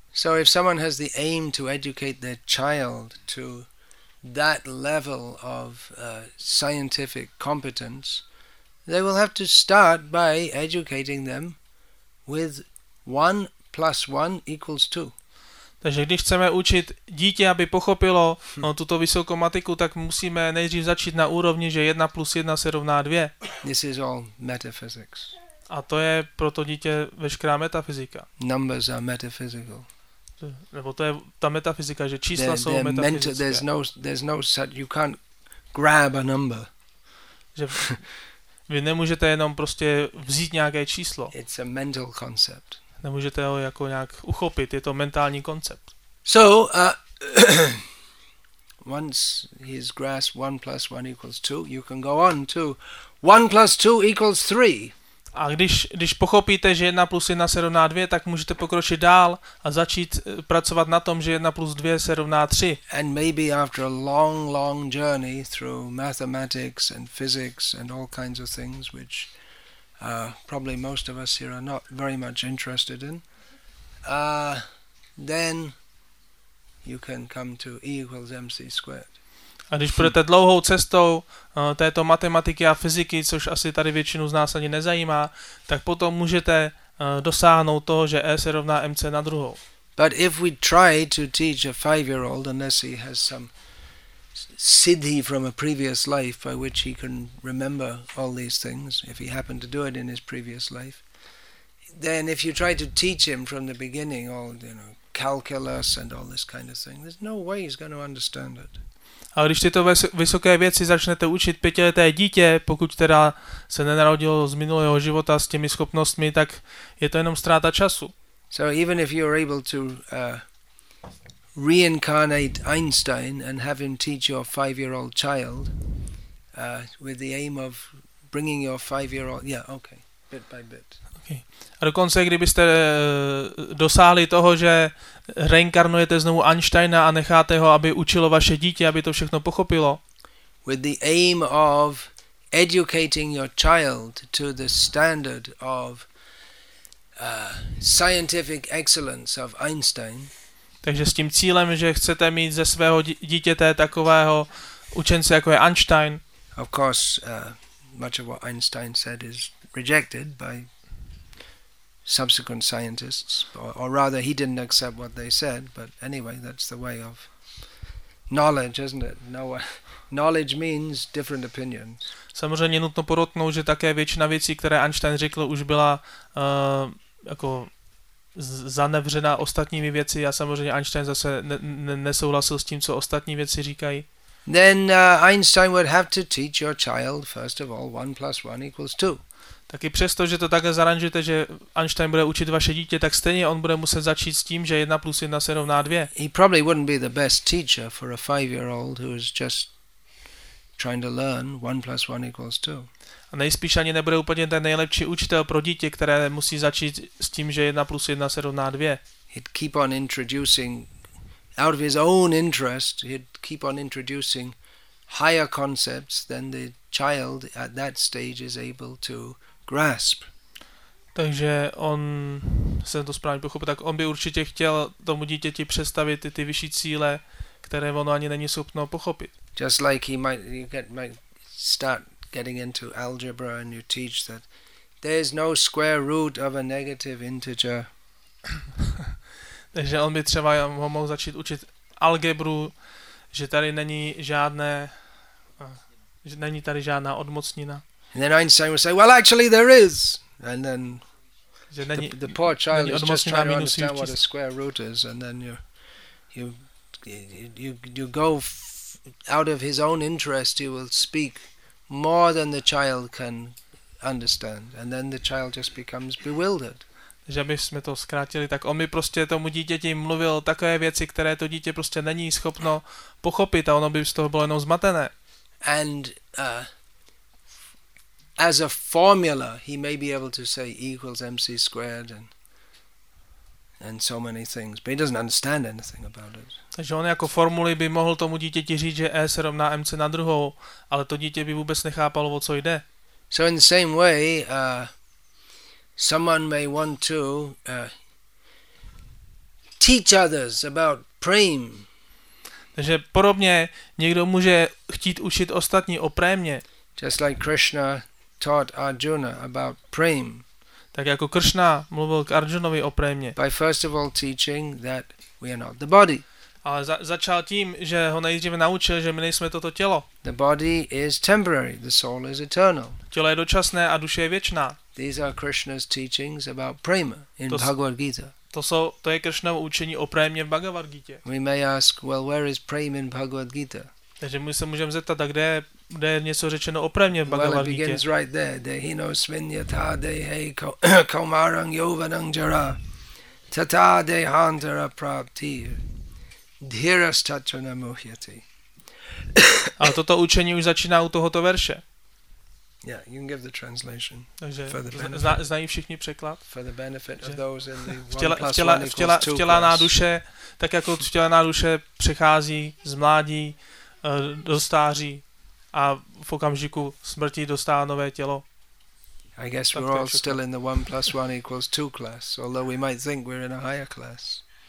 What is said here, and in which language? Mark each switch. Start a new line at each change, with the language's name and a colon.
English: So if someone has the aim to educate their child to that level of scientific competence, they will have to start by educating them with 1 + 1 = 2.
Czech: Takže když chceme učit dítě, aby pochopilo tuto vysokou matiku, tak musíme nejdřív začít na úrovni, že 1 + 1 = 2.
English: This is all metaphysics.
Czech: A to je pro to dítě veškerá metafyzika.
English: Numbers are metaphysical.
Czech: Nebo to je ta metafyzika, že čísla jsou metafyzické.
English: There's no such, you can't grab a number.
Czech: Že vy nemůžete jenom prostě vzít nějaké číslo.
English: It's a mental concept.
Czech: Nemůžete ho jako nějak uchopit, je to mentální koncept.
English: So, once he's grasped 1 + 1 = 2, you can go on to 1 + 2 = 3.
Czech: A když pochopíte, že 1 + 1 = 2, tak můžete pokročit dál a začít pracovat na tom, že 1 + 2 = 3.
English: And maybe after a long, long journey through mathematics and physics and all kinds of things, which probably most of us here are not very much interested in, then you can come to E equals MC squared.
Czech: A když půjdete dlouhou cestou této matematiky a fyziky, což asi tady většinu z nás ani nezajímá, tak potom můžete dosáhnout toho, že E se rovná MC na druhou.
English: But if we try to teach a five-year-old, unless he has some siddhi from a previous life by which he can remember all these things, if he happened to do it in his previous life, then if you try to teach him from the beginning all, you know, calculus and all this kind of thing, there's no way he's going to understand it.
Czech: A když tyto vysoké věci začnete učit pětileté dítě, pokud teda se nenarodilo z minulého života s těmi schopnostmi, tak je to jenom ztráta času.
English: So even if you're able to reincarnate Einstein and have him teach your five-year-old child with the aim of bringing your five-year-old, yeah, okay, bit by bit. Okay.
Czech: A dokonce, kdybyste dosáhli toho, že reinkarnujete znovu Einsteina a necháte ho, aby učilo vaše dítě, aby to všechno pochopilo.
English: With the aim of educating your child to the standard of scientific excellence of Einstein.
Czech: Takže s tím cílem, že chcete mít ze svého dítěte takového učence, jako je Einstein.
English: Of course, much of what Einstein said is rejected by subsequent scientists, or rather he didn't accept what they said, but anyway, that's the way of knowledge, isn't it? No, knowledge means different opinions.
Czech: Samozřejmě nutno podotknout, že také většina věcí, které Einstein řekl, už byla jako zanevřena ostatními věci, a samozřejmě Einstein zase nesouhlasil s tím, co ostatní věci říkají.
English: Then Einstein would have to teach your child first of all 1 + 1 = 2.
Czech: Tak i přesto, že to takhle zaranžujete, že Einstein bude učit vaše dítě, tak stejně on bude muset začít s tím, že 1 plus 1 se rovná 2.
English: He probably wouldn't be the best teacher for a 5-year-old who is just trying to learn 1 plus 1 equals 2.
Czech: A nejspíš ani nebude úplně ten nejlepší učitel pro dítě, které musí začít s tím, že 1 plus 1 se rovná 2.
English: He'd keep on introducing, out of his own interest, he'd keep on introducing higher concepts than the child at that stage is able to grasp.
Czech: Takže on, se to správně pochopil, tak on by určitě chtěl tomu dítěti představit ty vyšší cíle, které ono ani není schopno pochopit.
English: Just like he might, you get, might start getting into algebra and you teach that there's no square root of a negative integer.
Czech: Takže on by třeba ho mohl začít učit algebru, že tady není žádné, že není tady žádná odmocnina.
English: And then Einstein would say, well, actually there is. And then the poor child is just trying to understand what a square root is. And then you go out of his own interest, you will speak more than the child can understand. And then the child just becomes bewildered.
Czech: Že bychom to zkrátili, tak on by prostě tomu dítěti mluvil takové věci, které to dítě prostě není schopno pochopit a ono by z toho bylo jenom zmatené.
English: And as a formula he may be able to say E equals MC squared and so many things, but he doesn't understand anything about it.
Czech: Takže on jako formuly by mohl tomu dítěti říct, že E se rovná MC na druhou, ale to dítě by vůbec nechápalo, o co jde.
English: So in the same way someone may want to teach others about prime.
Czech: Takže podobně někdo může chtít učit ostatní o prémě.
English: Just like Krishna taught Arjuna about prime.
Czech: Tak jako Krishna mluvil k Arjunovi o prémě.
English: By first of all teaching that we are not the body.
Czech: Ale začal tím, že ho nejdříve naučil, že my nejsme toto tělo.
English: The body is temporary, the soul is eternal.
Czech: Tělo je dočasné a duše je věčná.
English: These are Krishna's teachings about prema in Bhagavad Gita.
Czech: To je Krishnovo učení o prémě v Bhagavad Gita.
English: We may ask, well, where is prema in Bhagavad Gita?
Czech: Takže my se můžeme zeptat, a kde je něco řečeno o prémě v Bhagavad Gita?
English: Well, it begins right there.
Sanskrit: Dehino svinyata dehei kaumarang yovanang jara tata dehantara prapti dhiras tachana muhyati.
Czech: A toto učení už začíná u tohoto verše.
English: Yeah, you can give the translation.
Czech: Takže
English: for the benefit,
Czech: znají všichni překlad?
English: For the benefit of those in the
Czech: vtělená duše, tak jako vtělená duše přechází z mládí do stáří a v okamžiku smrti dostává nové tělo.
English: I guess we're all still in the 1 plus 1 equals 2 class, although we might think we're in a higher class.